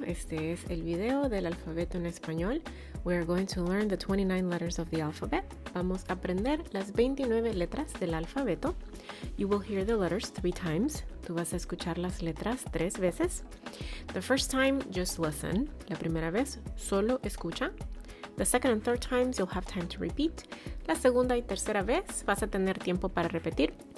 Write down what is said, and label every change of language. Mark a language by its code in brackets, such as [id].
[es] Este es el video del alfabeto en español. [en] We are going to learn the 29 letters of the alphabet. [es] Vamos a aprender las 29 letras del alfabeto. [en] You will hear the letters 3 times. [es] Tú vas a escuchar las letras 3 veces. [en] The first time, just listen. [es] La primera vez, solo escucha. [en] The second and third times, you'll have time to repeat. [es] La segunda y tercera vez, vas a tener tiempo para repetir.